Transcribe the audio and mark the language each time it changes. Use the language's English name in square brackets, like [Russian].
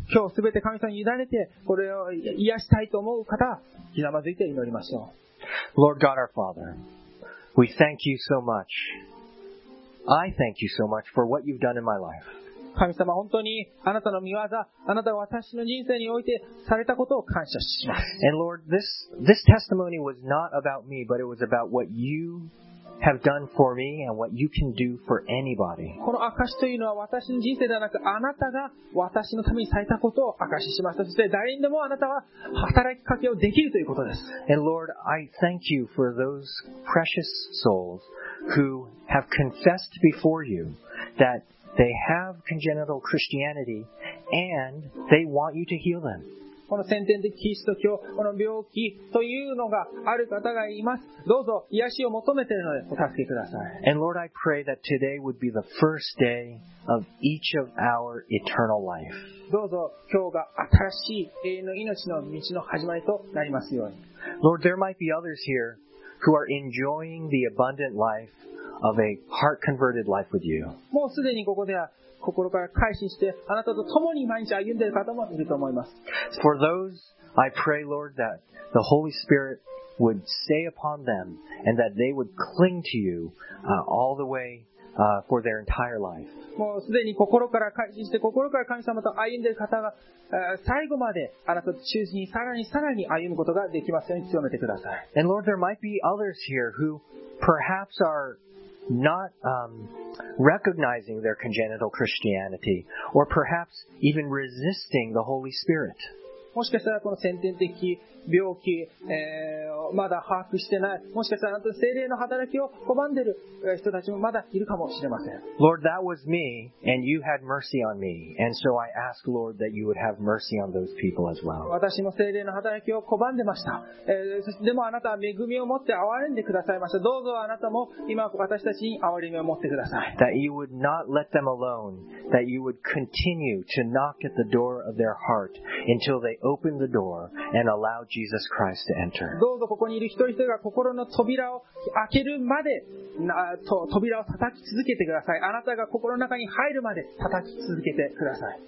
[Japanese] 今日すべて神様に委ねてこれを癒したいと思う方、ひざまずいて祈りましょう。 [English] Lord God our Father, we thank you so much. I thank you so much for what you've done in my life. [Japanese] 神様、本当にあなたの御業、あなたが私の人生においてされたことを感謝します。 [English] And Lord, this testimony was not about me, but it was about what you have done for me and what you can do for anybody. [Japanese] この証というのは私の人生ではなく、あなたが私のためにされたことを証しました。そして誰にでもあなたは働きかけをできるということです。 [English] And Lord, I thank you for those precious souls who have confessed before you thatThey have congenital Christianity and they want you to heal them. [Japanese] この先天的キリスト教、この病気というのがある方がいます。どうぞ癒しを求めているのでお助けください。 [English] And Lord, I pray that today would be the first day of each of our eternal life. [Japanese] どうぞ今日が新しい永遠の命の道の始まりとなりますように。 [English] Lord, there might be others here who are enjoying the abundant life. Of a heart-converted life with you. [Japanese] もうすでにここでは心から改心してあなたと共に毎日歩んでいる方もいると思います。 [English] For those, I pray, Lord, that the Holy Spirit would stay upon them and that they would cling to you all the way for their entire life. [Japanese] もうすでに心から改心して心から神様と歩んでいる方が最後まであなたと忠実にさらにさらに歩むことができますように強めてください。 [English] And Lord, there might be others here who perhaps areNot recognizing their congenital Christianity, or perhaps even resisting the Holy Spirit. [Japanese] もしかしたらこの先天的病気、まだ把握してない。もしかしたらあなたの聖霊の働きを拒んでる人たちもまだいるかもしれません。 [English] Lord, that was me, and you had mercy on me, and so I ask, Lord, that you would have mercy on those people as well. [Japanese] 私も聖霊の働きを拒んでました。でもあなたは恵みを持って憐れんでくださいました。どうぞあなたも今私たちに憐れみを持ってください。 [English] That you would not let them alone, that you would continue to knock at the door of their heart until they open the door and allow Jesus Christ to enter. [Japanese] どうぞここにいる一人一人が心の扉を開けるまで扉を叩き続けてください。あなたが心の中に入るまで叩き続けてください。